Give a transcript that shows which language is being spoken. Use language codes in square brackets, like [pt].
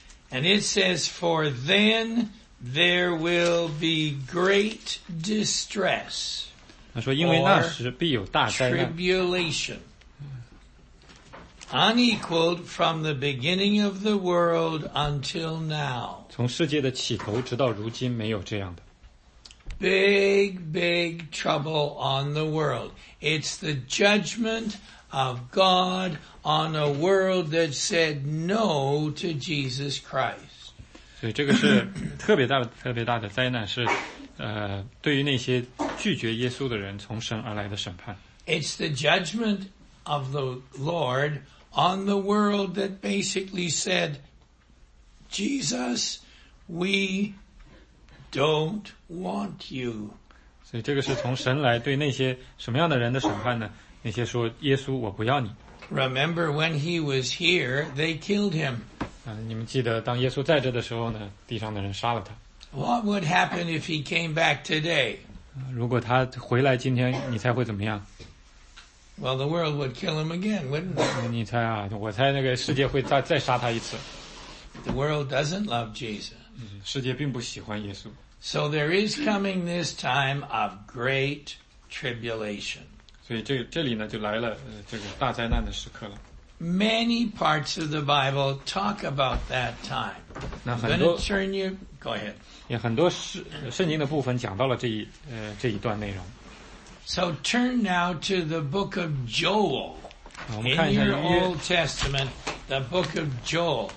[en] And it says, For then there will be great distress. [zh] 他说因为那时必有大灾难。 [en] Tribulation. Unequaled from the beginning of the world until now. [zh] 从世界的起头直到如今没有这样的。 [en] Big, big trouble on the world. It's the judgment of God on a world that said no to Jesus Christ. [zh] 所以这个是特别大的特别大的灾难是对于那些拒绝耶稣的人从神而来的审判。 [en] It's the judgment of the Lord on the world that basically said, Jesus, we don't want you. [zh] 所以这个是从神来对那些什么样的人的审判呢？那些说耶稣我不要你。 [en] Remember when he was here, they killed him. [zh] 你们记得当耶稣在这的时候呢，地上的人杀了他。 [en] What would happen if he came back today? [zh] 如果他回来今天，你猜会怎么样？ [en] Well, the world would kill him again, wouldn't it? [zh] 你猜啊，我猜那个世界会再杀他一次。 [en] The world doesn't love Jesus. [zh] 世界并不喜欢耶稣。 [en] So there is coming this time of great tribulation. [zh] 所以这里呢就来了这个大灾难的时刻了。 [en] Many parts of the Bible talk about that time. [zh] 那很多 [en] I'm going to turn you, go ahead. [zh] 也很多圣经的部分讲到了这一段内容。 [en] So turn now to the book of Joel. In your Old Testament, the book of Joel.